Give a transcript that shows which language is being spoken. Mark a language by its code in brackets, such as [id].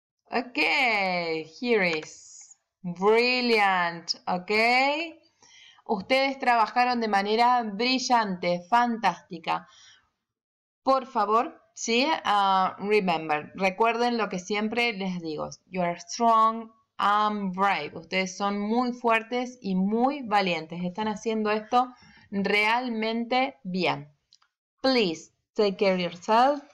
[en] okay, here is. Brilliant, okay. [es] Ustedes trabajaron de manera brillante, fantástica. Por favor, ¿sí? Remember, recuerden lo que siempre les digo. [en] You are strong and brave. [es] Ustedes son muy fuertes y muy valientes. Están haciendo esto realmente bien. [en] Please, take care of yourself.